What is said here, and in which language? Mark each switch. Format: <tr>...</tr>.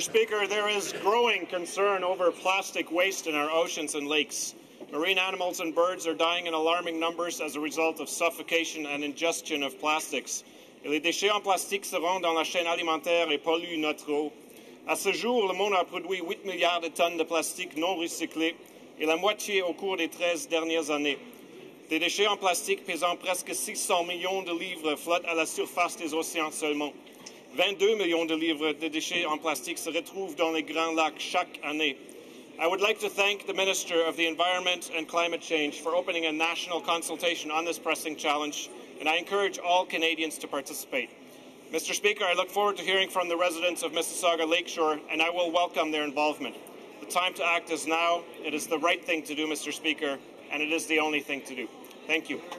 <en>Speaker, there is growing concern over plastic waste in our oceans and lakes. Marine animals and birds are dying in alarming numbers as a result of suffocation and ingestion of plastics.</en> <fr>Et les déchets en plastique seront dans la chaîne alimentaire et polluent notre eau. À ce jour, le monde a produit 8 milliards de tonnes de plastique non recyclé, et la moitié au cours des 13 dernières années. Des déchets en plastique pesant presque 600 millions de livres flottent à la surface des océans seulement. 22 millions de livres de déchets en plastique se retrouvent dans les grands lacs chaque année.</fr> <en>I would like to thank the Minister of the Environment and Climate Change for opening a national consultation on this pressing challenge, and I encourage all Canadians to participate. Mr. Speaker, I look forward to hearing from the residents of Mississauga Lakeshore, and I will welcome their involvement. The time to act is now. It is the right thing to do, Mr. Speaker, and it is the only thing to do. Thank you.</en>